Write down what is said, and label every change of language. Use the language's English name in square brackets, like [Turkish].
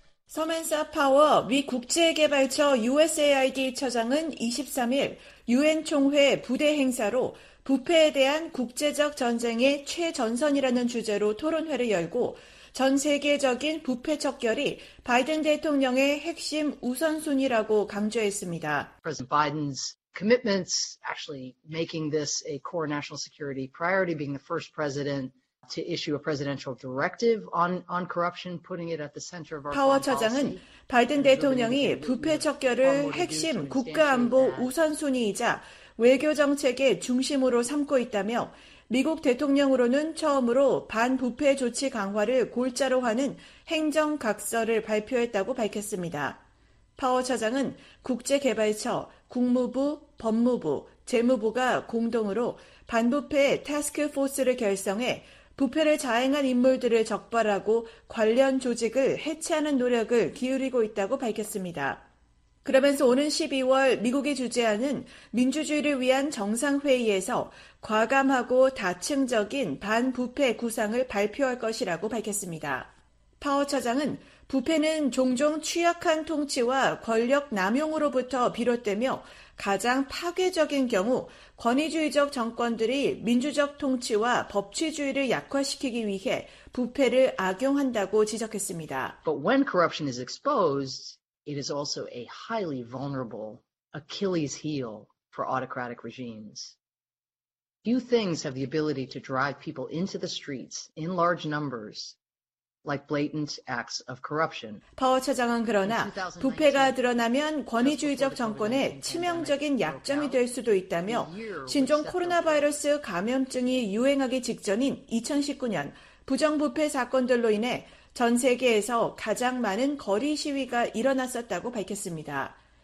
[Korean] 서만사 파워 위 국제개발처 USAID 처장은 23일 UN 총회 부대 행사로 부패에 대한 국제적 전쟁의 최전선이라는 주제로 토론회를 열고 전 세계적인 부패 척결이 바이든 대통령의 핵심 우선순위라고 강조했습니다. [English] President Biden's commitments actually making this a core national security priority, being the first president to issue a presidential directive on corruption, putting it at the center of our. [Korean] 파워 처장은 바이든 대통령이 부패 척결을 핵심 국가 안보 우선순위이자 외교 정책의 중심으로 삼고 있다며. 미국 대통령으로는 처음으로 반부패 조치 강화를 골자로 하는 행정각서를 발표했다고 밝혔습니다. 파워 차장은 국제개발처, 국무부, 법무부, 재무부가 공동으로 반부패 태스크포스를 결성해 부패를 자행한 인물들을 적발하고 관련 조직을 해체하는 노력을 기울이고 있다고 밝혔습니다. 그러면서 오는 12월 미국이 주재하는 민주주의를 위한 정상회의에서 과감하고 다층적인 반부패 구상을 발표할 것이라고 밝혔습니다. 파워 차장은 부패는 종종 취약한 통치와 권력 남용으로부터 비롯되며 가장 파괴적인 경우 권위주의적 정권들이 민주적 통치와 법치주의를 약화시키기 위해 부패를 악용한다고 지적했습니다. [English] But when corruption is exposed, it is also a highly vulnerable Achilles heel for autocratic regimes. Few things have the ability to drive people into the streets in large numbers, like blatant acts of corruption. [Korean] 파워 차장은 그러나 부패가 드러나면 권위주의적 정권의 치명적인 약점이 될 수도 있다며 신종 코로나 바이러스 감염증이 유행하기 직전인 2019년 부정부패 사건들로 인해 전 세계에서 가장 많은 거리 시위가 일어났었다고 밝혔습니다.